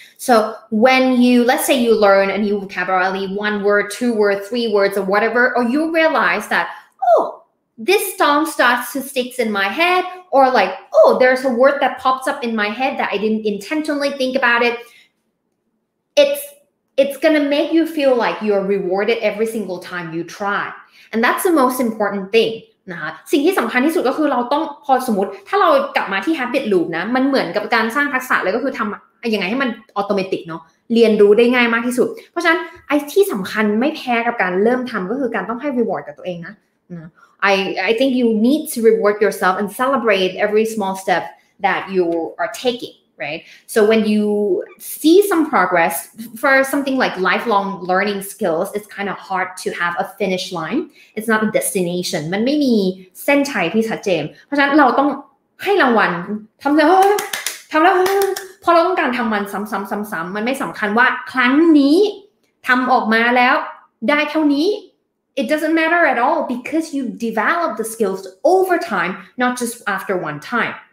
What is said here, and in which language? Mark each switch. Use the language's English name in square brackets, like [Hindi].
[English] So when you, let's say you learn a new vocabulary, one word, two words, three words or whatever, or you realize that, oh, this song starts to stick in my head. Or like, oh, there's a word that pops up in my head that I didn't intentionally think about it. It's gonna make you feel like you're rewarded every single time you try, and that's the most important thing. [Thai] นะคะ สิ่งที่สำคัญที่สุดก็คือเราต้องพอสมมติถ้าเรากลับมาที่ habit loop นะมันเหมือนกับการสร้างทักษะเลยก็คือทำยังไงให้มันออโตเมติกเนาะเรียนรู้ได้ง่ายมากที่สุดเพราะฉะนั้นไอ้ที่สำคัญไม่แพ้กับการเริ่มทำก็คือการต้องให้ reward กับตัวเองนะ [English] I think you need to reward yourself and celebrate every small step that you are taking. Right. So when you see some progress for something like lifelong learning skills, it's kind of hard to have a finish line. It's not a destination. [Thai] มันไม่มีเส้นชัยที่ชัดเจนเพราะฉะนั้นเราต้องให้รางวัลทำแล้วเพราะเราต้องการทำมันซ้ำๆๆๆมันไม่สำคัญว่าครั้งนี้ทำออกมาแล้วได้เท่านี้ [English] It doesn't matter at all because you develop the skills over time, not just after one time.